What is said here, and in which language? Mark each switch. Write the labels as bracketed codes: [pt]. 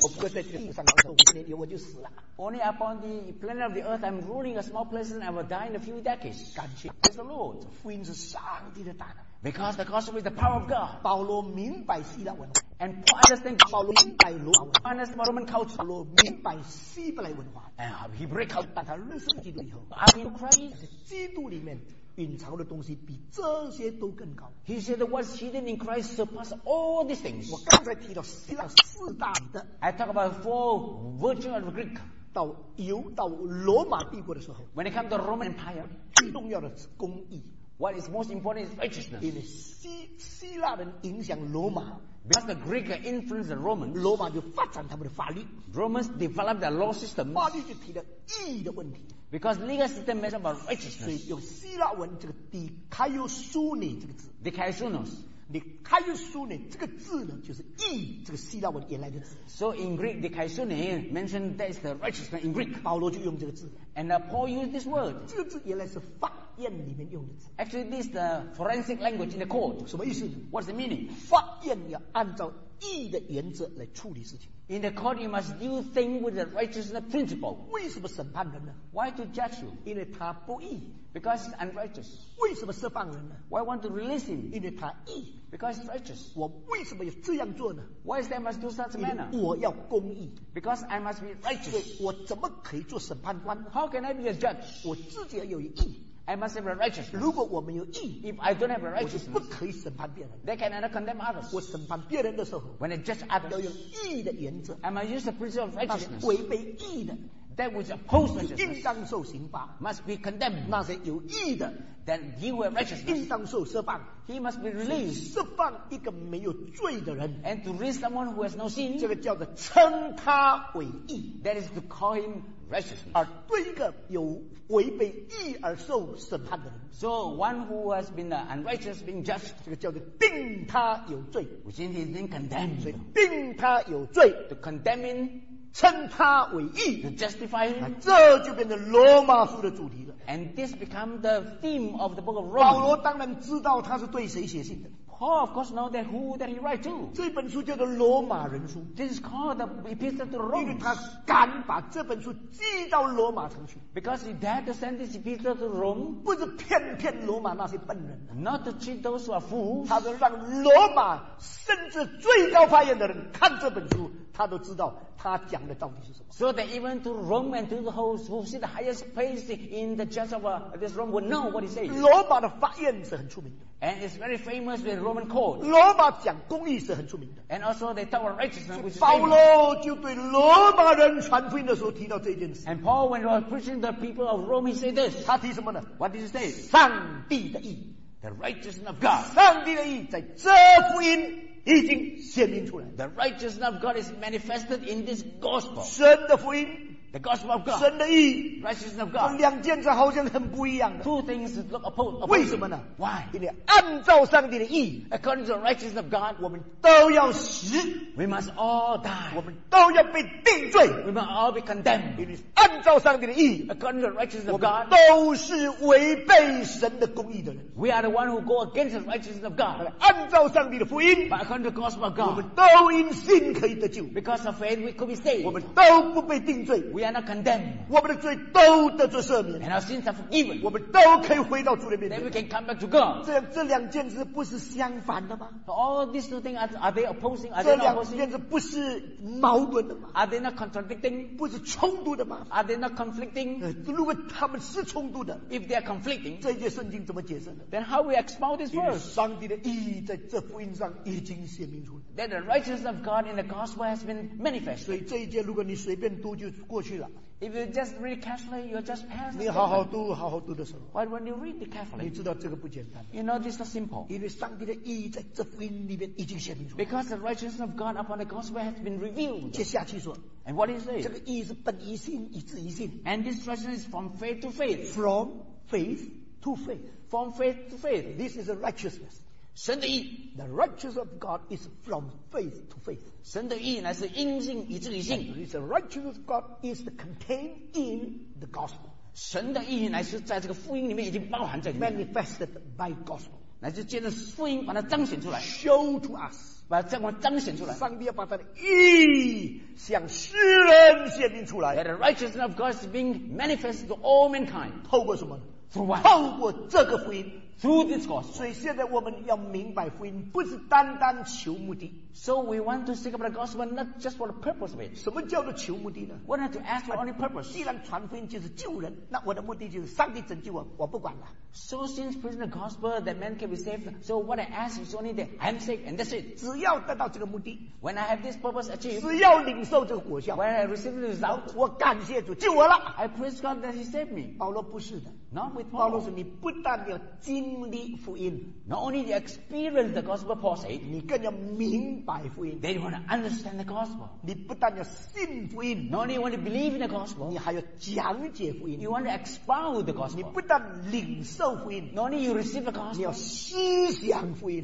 [zh] 我不会在地上做五年，我就死了。 [en] Only upon the planet of the earth, I'm ruling a small place, and I will die in a few decades. [zh] 感谢 [en] Praise the Lord. [zh] 福音是上帝的大能。 [en] Because the gospel is the power of God. [zh] 保罗明白希腊文化。 [en] And Paul understands. [zh] 保罗明白罗马文化。 [en] Understands Roman culture. [zh] 保罗明白希伯来文化。 [en] And he breaks out. [zh] 把他认识基督以后 [en] ，I'm in Christ. [zh] 基督里面。蕴藏的东西比这些都更高。 [en] He said that what's hidden in Christ surpasses all these things. [zh] 我刚才提到希腊四大彼得。 [en] I talk about four virtues of Greek. [zh] 到犹到罗马帝国的时候 [en] ，When it comes to Roman Empire, [zh] 最重要的是公义。 [en] What is most important is righteousness. [zh] 因为希腊人影响罗马。 [en] Because the Greek influenced the Romans, [zh] 罗马就发展他们的法律。 [en] Romans developed their law system. [zh] 法律就提到义的问题。 [en] Because legal system is about righteousness. [zh] 所以用希腊文这个 dikaiosune 这个字。 [el] Dikaiosunos. [zh] Dikaiosune 这个字呢，就是义这个希腊文原来的字。 [en] So in Greek, dikaiosune mentioned that is the righteousness in Greek. [zh] 保罗就用这个字。 [en] And Paul used this word. [zh] 这个字原来是法院里面用的字。 [en] Actually, this is the forensic language in the court. [zh] 什么意思？ [en] What's the meaning? [zh] 法院要按照义的原则来处理事情。 [en] In the court, you must do things with the righteousness principle. [zh] 为什么审判人呢？ [en] Why to judge you? [zh] 因为他不义。 [en] Because he's unrighteous. [zh] 为什么释放人呢？ [en] Why want to release him? [zh] 因为他义。 [en] Because he's righteous. [zh] 我为什么要这样做呢？ [en] Why is that I must do such a manner? [zh] 因为我要公义。 [en] Because I must be righteous. [zh] 所以我怎么可以做审判官呢？ [en] How can I be a judge? [zh] 我自己要有义。 [en] I must have a righteousness. [zh] 如果我没有义 [en] ，If I don't have a righteousness， [zh] 我就不可以审判别人。 [en] They cannot condemn others. [zh] 我审判别人的时候 [en] ，When I judge others， [zh] 要用义的原则。 [en] I must use the principle of righteousness. [zh] 违背义的 [en] ，That which opposes righteousness， [zh] 应当受刑罚。 [en] Must be condemned. [zh] 那些有义的 [en] ，Then he will righteousness， [zh] 应当受释放。 [en] He must be released. [zh] 释放一个没有罪的人 [en] ，And to release someone who has no sin， [zh] 这个叫做称他为义。 [en] That is to call him。 [zh] 而对一个有违背义而受审判的人 [en] ，So one who has been unrighteous being judged， [zh] 这个叫做定他有罪 [en] ，which means he's been condemned。 [zh] 所以定他有罪 [en] ，to condemn him， [zh] 称他为义 [en] ，to justify him， [zh] 这就变成罗马书的主题了。 [en] And this become the theme of the book of Romans。 [zh] 保罗当然知道他是对谁写信的。 [en] Paul, of course, knows that who that he writes to. [zh] 这本书叫做《罗马人书》。 [en] This is called the Epistle to the Romans. [zh] 因为他敢把这本书寄到罗马城去。 [en] Because he dared to send this Epistle to Rome. [zh] 不是骗罗马那些笨人。 [en] Not to cheat those who are fools. [zh] 他是让罗马甚至最高法院的人看这本书，他都知道他讲的到底是什么。 [en] So that even to Rome and to the host who see the highest place in the judge of this Rome will know what he says. [zh] 罗马的法院是很出名的。 [en] And it's very famous with Roman court. [zh] 罗马讲公义是很出名的。 [en] And also they talk about righteousness. [zh] 保罗就对罗马人传福音的时候提到这件事。 [en] And Paul, when he was preaching the people of Rome, he said this. [zh] 他提什么呢？ [en] What did he say? [zh] 上帝的义。 [en] The righteousness of God. [zh] 上帝的义在这福音已经显明出来。 [en] The righteousness of God is manifested in this gospel. [zh] 神的福音。 [en] The gospel of God. [zh] 神的义。 [en] Righteousness of God. [zh] 两件事好像很不一样的。 [en] Two things look opposed. [zh] 为什么呢？ [en] Why? [zh] 因为按照上帝的义。 [en] According to the righteousness of God, [zh] 我们都要死。 [en] We must all die. [zh] 我们都要被定罪。 [en] We must all be condemned. [zh] 因为按照上帝的义。 [en] According to the righteousness of God, [zh] 我们都是违背神的公义的人。 [en] We are the one who go against the righteousness of God. [zh] 按照上帝的福音。 [en] But according to the gospel of God, [zh] 我们都因信可以得救。 [en] Because of faith, we could be saved. [zh] 我们都不被定罪。 [en] We are not condemned. [zh] 我们的罪都得罪赦免。 [en] And our sins are forgiven. [zh] 我们都可以回到主的面前。 [en] Then we can come back to God. [zh] 这两件事不是相反的吗？ [en] All these two things are they opposing? [zh] 这两件事不是矛盾的吗？ [en] Are they not contradicting? [zh] 不是冲突的吗？ [en] Are they not conflicting? [zh] 如果他们是冲突的， [en] If they are conflicting, [zh] 这些圣经怎么解释呢？ [en] Then how we expound this verse? [zh] 上帝的义在这福音上已经显明出来。 [en] That the righteousness of God in the gospel has been manifested. [zh] 所以这一节如果你随便读就过去。 [en] If you just read carefully, you're just passing. [zh] 你好好读，好好读的时候。 [en] But when you read it carefully, [zh] 你知道这个不简单。 [en] You know this is not simple. [zh] 因为上帝的义在这福音里面已经显明出来。 [en] Because the righteousness of God upon the gospel has been revealed. [zh] 接下去说。 [en] And what is it? [zh] 这个义是本于信，以至于信。 [en] And this righteousness is from faith to faith. From faith to faith. From faith to faith. This is a righteousness. [zh] 神的义, [en] the righteousness of God is from faith to faith. [zh] 神的义乃是因信以至于信。 [en] It is the righteousness of God is contained in the gospel. [zh] 神的义乃是在这个福音里面已经包含在里面。 [en] Manifested by gospel. [zh] 乃是借着福音把它彰显出来。 [en] Show to us. [zh] 把这光彰显出来, 上帝要把他的义向世人显明出来, [en] that the righteousness of God is being manifested to all mankind. [zh] 透过什么? [en] Through what? [zh] 透过这个福音, [en] through this gospel. [zh] 所以现在我们要明白福音不是单单求目的, [en] so we want to seek about the gospel not just for the purpose of it. [zh] 什么叫做求目的呢? [en] We're not to ask for only purpose. [zh] 既然传福音就是救人, 那我的目的就是上帝拯救我, 我不管了。 [en] So since preaching the gospel that man can be saved, so what I ask is only that I am saved, and that's it. [zh] 只要得到这个目的, [en] when I have this purpose achieved, [zh] 只要领受这个果效, [en] when I receive the result, [zh] 我感谢主救我了, [en] I praise God that he saved me. [zh] 保罗不是的, [en] not with Paul. [zh] 保罗说你不但要经历福音, [en] not only the experience the gospel, Paul said, [zh] 你更要明白福音, [en] then you want to understand the gospel. [zh] 你不但要信福音, [en] not only you want to believe in the gospel, [zh] 你还要讲解福音, [en] you want to expound the gospel. [zh] 你不但领 受福音, [en] not only you receive the gospel, [zh] 你要思想福音,